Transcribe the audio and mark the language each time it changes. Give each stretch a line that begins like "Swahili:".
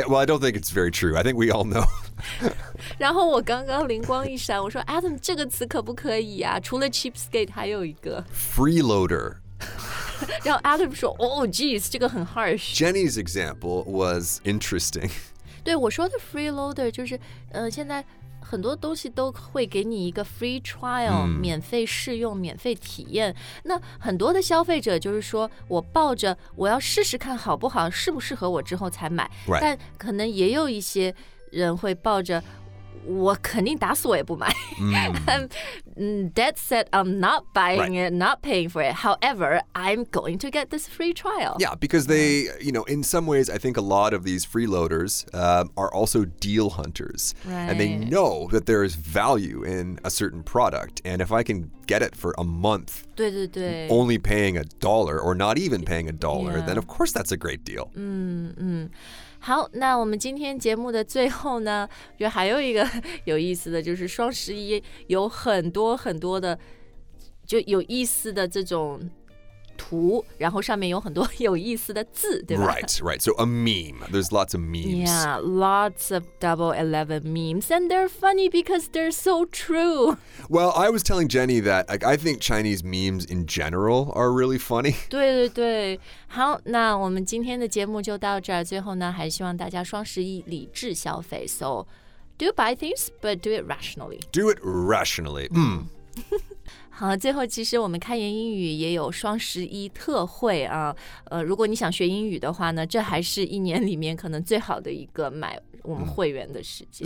English: Well, I don't think it's very true. I think we all know.
Chinese: 然后我刚刚灵光一闪，我说 Adam, 这个词可不可以啊？除了 cheapskate, 还有一个
English: freeloader.
Chinese: 然后 Adam 说
English: Oh, geez,
Chinese: 这个很 harsh.
English: Jenny's example was interesting.
Chinese: 对，我说的 freeloader 就是，现在很多东西都会给你一个 free trial, 免费试用、免费体验。那很多的消费者就是说我抱着我要试试看好不好、适不适合我之后才买。
English: Right.
Chinese: 但可能也有一些人会抱着我肯定打死我也不买。
English: I'm dead set, I'm not buying it, not paying for it. However, I'm going to get this free trial. Yeah, because they, you know, in some ways, I think a lot of these freeloaders are also deal hunters. Right. And they know that there is value in a certain product. And if I can get it for a month,
Chinese: 对对对
English: only paying a dollar or not even paying a dollar, then of course that's a great deal.
Chinese: 好，那我们今天节目的最后呢，就还有一个有意思的，就是双十一有很多很多的，就有意思的这种图，然后上面有很多有意思的字，对吧
English: ？Right, right. So a meme. There's lots of memes. Yeah, lots of Double 11 memes, and they're funny because they're so true. Well, I was telling Jenny that I think Chinese memes in general are really funny.
Chinese: 对对对，好，那我们今天的节目就到这儿。最后呢，还希望大家双十一理智消费。
English: So, do buy things, but do it rationally. Do it rationally.
Chinese: 好，最后其实我们开言英语也有双十一特惠啊，如果你想学英语的话呢，这还是一年里面可能最好的一个买我们会员的时间。